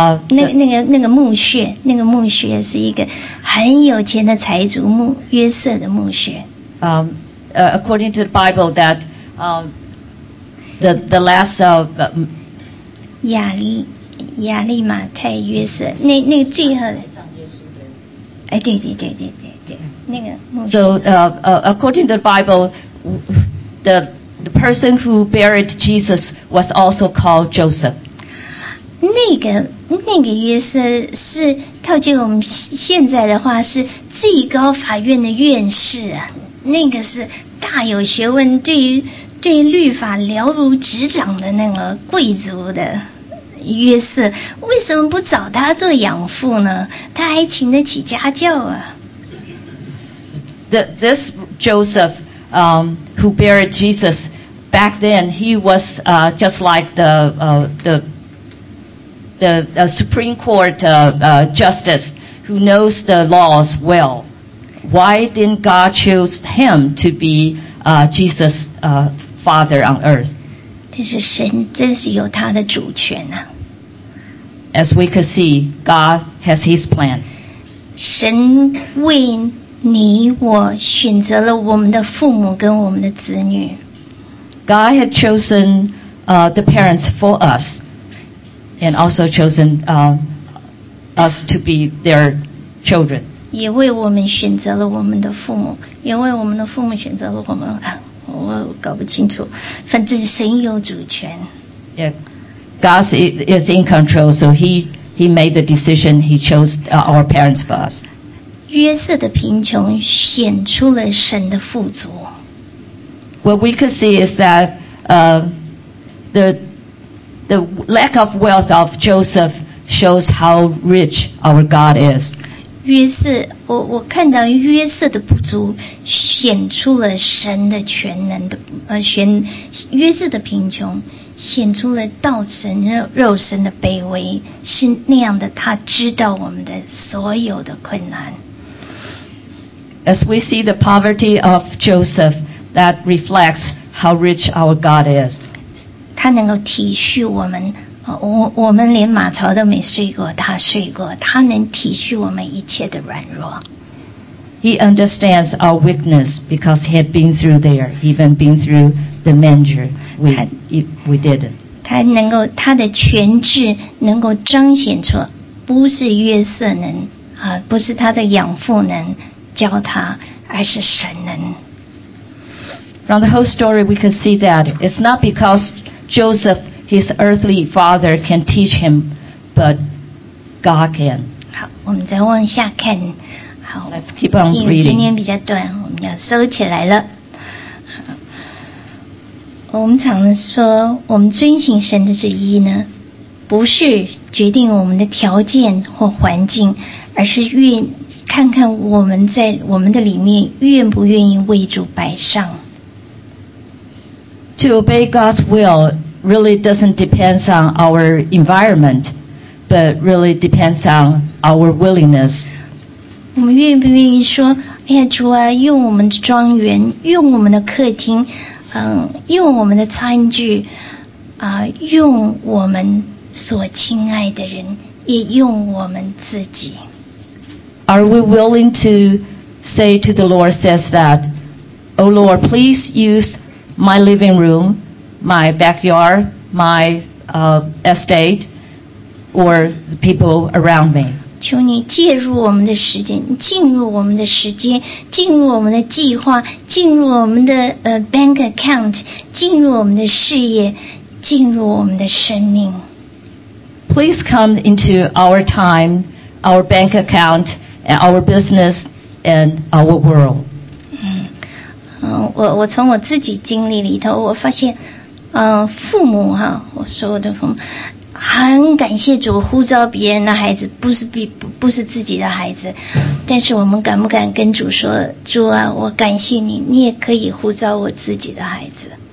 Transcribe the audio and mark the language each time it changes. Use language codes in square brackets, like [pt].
[zh] 那个墓穴，那个墓穴是一个很有钱的财主，约瑟的墓穴。 [en] According to the Bible, that the last of [zh] 亚利马太约瑟，那个最后的。哎，对对对对对。 [en] So according to the Bible, the person who buried Jesus was also called Joseph. [zh] 那个约瑟是套进我们现在的话是最高法院的院士啊，那个是大有学问，对于律法了如指掌的那个贵族的。约瑟为什么不找他做养父呢？他还请得起家教啊。 [en] This Joseph, who buried Jesus, back then he was just like the Supreme Court justice who knows the laws well. Why didn't God choose him to be Jesus' father on earth? [zh] 但是神真是有他的主权啊。 [en] As we could see, God has His plan. [zh] 神为你我选择了我们的父母跟我们的子女。 [en] God had chosen the parents for us, and also chosen us to be their children. [zh] 也为我们选择了我们的父母，也为我们的父母选择了我们。我搞不清楚，反正神有主权。 [en] Yeah, God is in control, so He made the decision. He chose our parents for us. [zh] 约瑟的贫穷显出了神的富足。 [en] What we could see is that the lack of wealth of Joseph shows how rich our God is. [zh] 约瑟，我看到约瑟的不足显出了神的全能的，约瑟的贫穷显出了道成肉身的卑微，是那样的，他知道我们的所有的困难。 [en] As we see the poverty of Joseph, that reflects how rich our God is. [zh] 他能够体恤我们，我们连马槽都没睡过，他睡过，他能体恤我们一切的软弱。 [en] He understands our weakness because he had been through there, even been through the manger we didn't. [zh] 他的全智能够彰显出，不是约瑟能，不是他的养父能。教他，而是神能。 [en] From the whole story, we can see that it's not because Joseph, his earthly father, can teach him, but God can. [zh] 好，我们再往下看。好 [en] ，Let's keep on reading. [zh] 今天比较短，我们要收起来了。我们常说，我们遵行神的旨意呢，不是决定我们的条件或环境，而是看看我们在我们的里面愿不愿意为主摆上。 [en] To obey God's will really doesn't depend on our environment, but really depends on our willingness. [zh] 我们愿不愿意说，哎呀，主啊，用我们的庄园，用我们的客厅，用我们的餐具，用我们所亲爱的人，也用我们自己。 [en] Are we willing to say to the Lord, says that, O Lord, please use my living room, my backyard, my estate, or the people around me? [zh] 求你介入我们的时间，进入我们的时间，进入我们的计划，进入我们的 [en] bank account, [zh] 进入我们的事业，进入我们的生命。 [en] Please come into our time, our bank account. And our business and our world. [zh] 我从我自己经历里头，我发现，父母哈，我所有的父母很感谢主呼召别人的孩子，不是自己的孩子。但是我们敢不敢跟主说，主啊，我感谢你，你也可以呼召我自己的孩子。